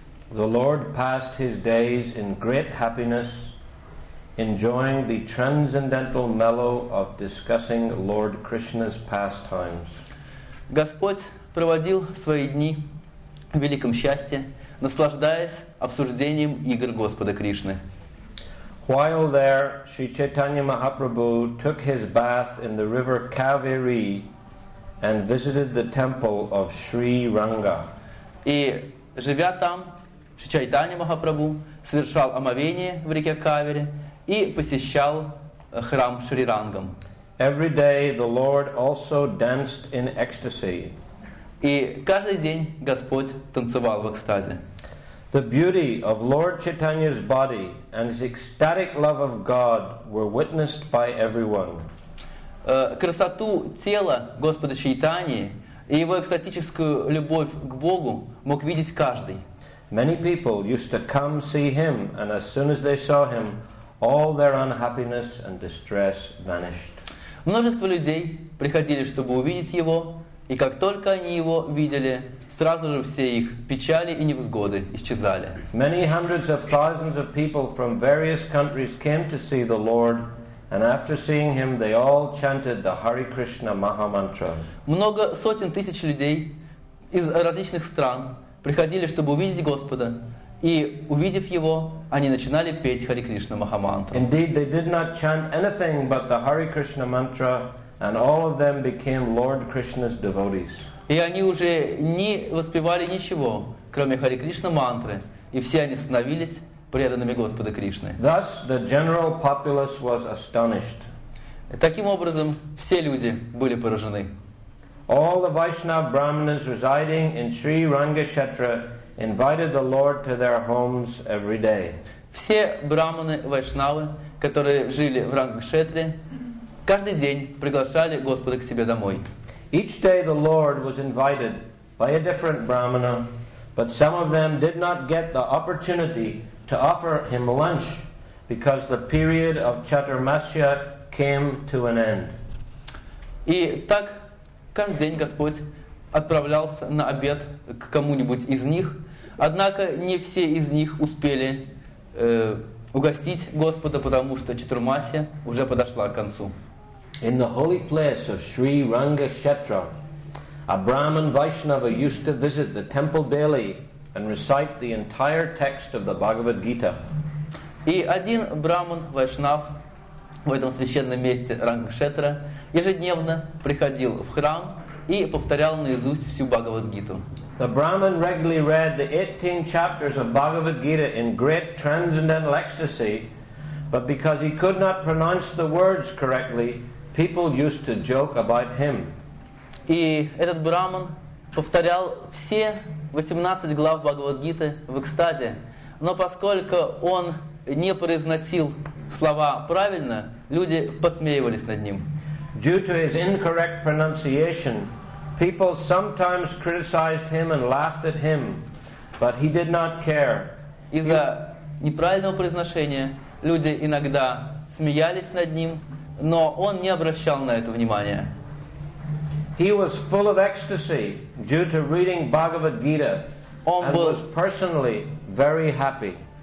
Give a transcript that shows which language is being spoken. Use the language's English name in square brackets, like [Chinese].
[English] The Lord passed his days in great happiness, enjoying the transcendental mellow of discussing Lord Krishna's pastimes. [Russian] Господь проводил свои дни в великом счастье, наслаждаясь обсуждением игр Господа Кришны. [English] While there, Sri Chaitanya Mahaprabhu took his bath in the river Kaveri and visited the temple of Sri Ranga. [Russian] И живя там, Sri Chaitanya Mahaprabhu совершал омовение в реке Кавери и посещал храм Шри Рангам. [English] Every day the Lord also danced in ecstasy. [Russian] И каждый день Господь танцевал в экстазе. [English] The beauty of Lord Chaitanya's body and his ecstatic love of God were witnessed by everyone. [Russian] Красоту тела Господа Чайтаньи и его экстатическую любовь к Богу мог видеть каждый. [English] Many people used to come see him, and as soon as they saw him, all their unhappiness and distress vanished. [Russian] Множество людей приходили, чтобы увидеть его, и как только они его видели, сразу же все их печали и невзгоды исчезали. [English] Many hundreds of thousands of people from various countries came to see the Lord, and after seeing him, they all chanted the Hare Krishna Maha Mantra. [Russian] Много сотен тысяч людей из различных стран приходили, чтобы увидеть Господа, и увидев его, они начинали петь Хари Кришна Маха Мантру. [English] Indeed, they did not chant anything but the Hare Krishna Mantra, and all of them became Lord Krishna's devotees. [Russian] И они уже не воспевали ничего, кроме Хари Кришна Мантры, и все они становились преданными Господа Кришны. [English] Thus, the general populace was astonished. [Russian] Таким образом, все люди были поражены. [English] All the Vaishnava Brahmanas residing in Sri Rangakshetra invited the Lord to their homes every day. [Russian] Все брахманы вайшнавы, которые жили в Рангакшетре, каждый день приглашали Господа к себе домой. [English] Each day the Lord was invited by a different brahmana, but some of them did not get the opportunity to offer him lunch because the period of Chaturmasya came to an end. [Russian] И так каждый день Господь отправлялся на обед к кому-нибудь из них. Однако не все из них успели угостить Господа, потому что Чатурмасия уже подошла к концу. [English] In the holy place of Sri Rangakshetra, a Brahman Vaishnava used to visit the temple daily and recite the entire text of the Bhagavad Gita. [Russian] И один Брахман Вайшнав в этом священном месте Рангакшетра ежедневно приходил в храм и повторял наизусть всю Бхагавад-гиту. [English] The Brahman regularly read the 18 chapters of Bhagavad Gita in great transcendental ecstasy, but because he could not pronounce the words correctly, people used to joke about him. [Russian] И этот Брахман повторял все 18 глав Бхагавад-гиты в экстазе, но поскольку он не произносил слова правильно, люди подсмеивались над ним. [English] Due to his incorrect pronunciation, people sometimes criticized him and laughed at him, but he did not care. [Russian] Из-за неправильного произношения люди иногда смеялись над ним, но он не обращал на это внимания. [English] He was full of ecstasy due to reading Bhagavad Gita and was personally very happy.